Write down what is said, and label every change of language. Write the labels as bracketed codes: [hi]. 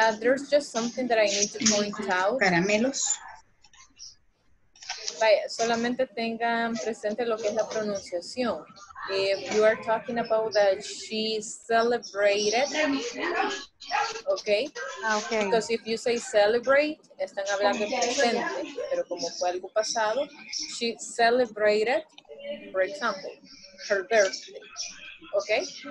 [en] There's just something that I need to point out. [es] Caramelos. Vaya, solamente tengan presente lo que es la pronunciación. [en] If you are talking about that she celebrated, okay? Okay. Because if you say celebrate, [es] están hablando en presente, pero como fue algo pasado, [en] she celebrated, for example, her birthday, okay?